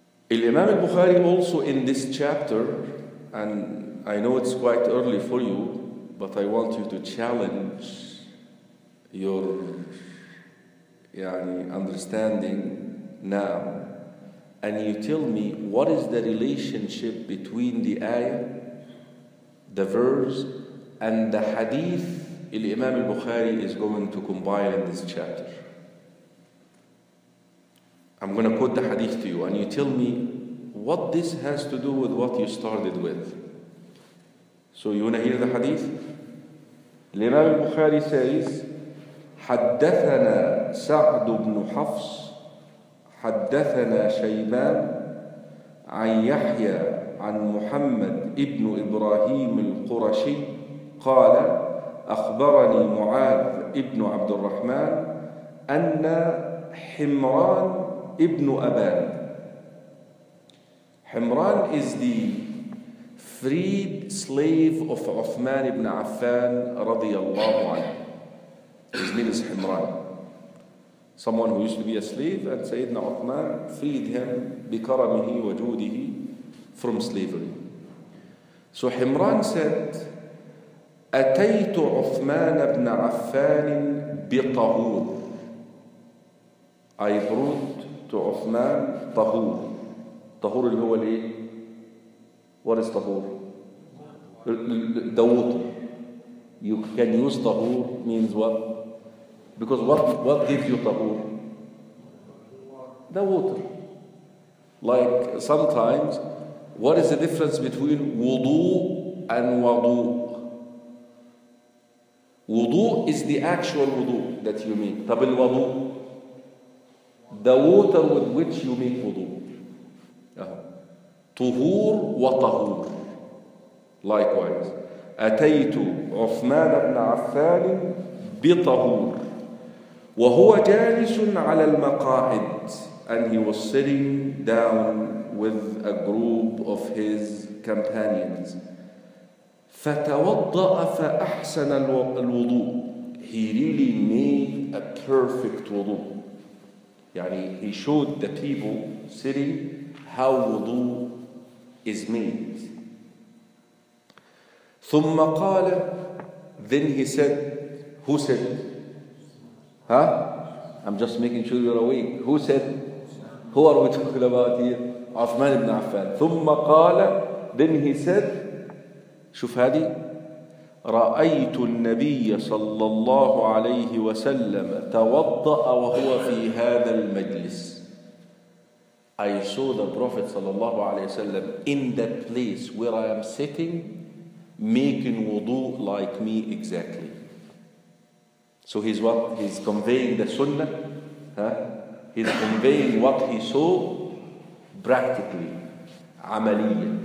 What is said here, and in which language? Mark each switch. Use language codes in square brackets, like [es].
[en] Imam al-Bukhari also in this chapter, and I know it's quite early for you, but I want you to challenge your understanding now, and you tell me what is the relationship between the ayah, the verse, and the hadith Imam al-Bukhari is going to compile in this chapter. I'm going to quote the hadith to you and you tell me what this has to do with what you started with. So you want to hear the hadith? Imam al-Bukhari says, [ar] حدثنا سعد بن حفص حدثنا شيبان عن يحيى عن محمد ابن إبراهيم القرشي قال أخبرني معاذ ابن عبد الرحمن أن حمران ابن أبان. [en] حمران is the freed slave of عثمان بن عفان [ar] رضي الله عنه. [en] His name is Himran. someone who used to be a slave, and Sayyidina Uthman freed him [ar] بكرمه وجوده [en] from slavery. So Himran said, [ar] أتيت عثمان بن عفان بطهور. [en] I brought to عثمان طهور. [ar] طهور اللي هو الايه؟ [en] What is طهور؟ The water. You can use طهور means what? Because what gives you طهور? The water. Like sometimes, what is the difference between wudu and wadu? Wudu is the actual wudu that you make. [ar] طب الوضوء? [en] The water with which you make wudu. طهور وطهور. Likewise. [ar] أتيت عثمان بن عفان بطهور وهو جالس على المقاعد. [en] And he was sitting down with a group of his companions. [ar] فتوضأ فأحسن الوضوء. [en] He really made a perfect wudu. يعني he showed the people sitting how wudu is made. [ar] ثم قال, [en] then he said, who said? Huh? I'm just making sure you're awake. Who said? Who are we talking about here? [ar] عثمان بن عفان. ثم قال, [en] then he said, [ar] شوف هذه, رأيت النبي صلى الله عليه وسلم توضأ وهو في هذا المجلس. [en] I saw the Prophet [ar] صلى الله عليه وسلم [en] in the place where I am sitting making wudu like me exactly. So he's what? He's conveying the sunnah. Huh? He's conveying what he saw practically. عمليا.